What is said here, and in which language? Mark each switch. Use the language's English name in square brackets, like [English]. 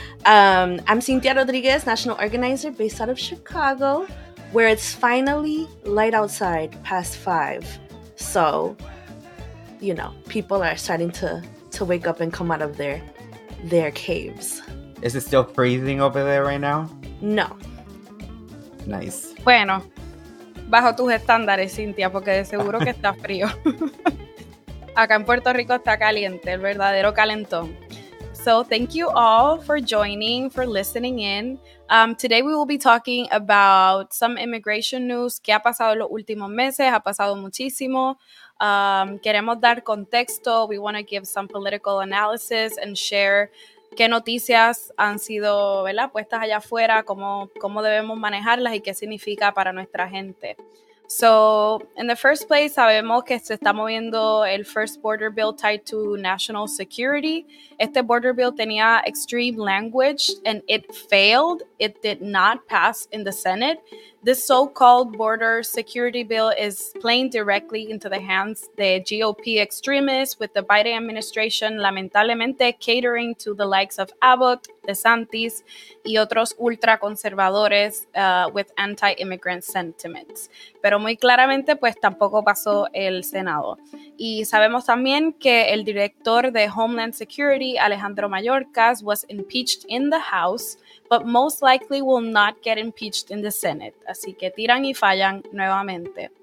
[English] I'm Cynthia Rodriguez, national organizer based out of Chicago, where it's finally light outside past 5. So, you know, people are starting to wake up and come out of their caves. Is it still freezing over there right now? No. Nice. [Spanish] Bueno, bajo tus estándares, Cynthia, porque de seguro que está frío. Acá en Puerto Rico está caliente, el verdadero calentón. [English] So thank you all for joining, for listening in. Today we will be talking about some immigration news. [Spanish] ¿Qué ha pasado en los últimos meses? Ha pasado muchísimo. Queremos dar contexto. [English] We want to give some political analysis and share [Spanish] qué noticias han sido, ¿verdad?, puestas allá afuera, cómo debemos manejarlas y qué significa para nuestra gente. [English] So, in the first place, [Spanish] sabemos que se está moviendo el [English] first border bill tied to national security. [Spanish] Este [English] border bill [Spanish] tenía [English] extreme language and it failed. It did not pass in the Senate. This so-called border security bill is playing directly into the hands of GOP extremists, with the Biden administration [Spanish] lamentablemente [English] catering to the likes of Abbott, DeSantis, [Spanish] y otros ultraconservadores [English] with anti-immigrant sentiments. [Spanish] Pero muy claramente, pues tampoco pasó el Senado. Y sabemos también que el director de Homeland Security, Alejandro Mayorkas, [English] was impeached in the House, but most likely will not get impeached in the Senate. [Spanish] Así que tiran y fallan nuevamente.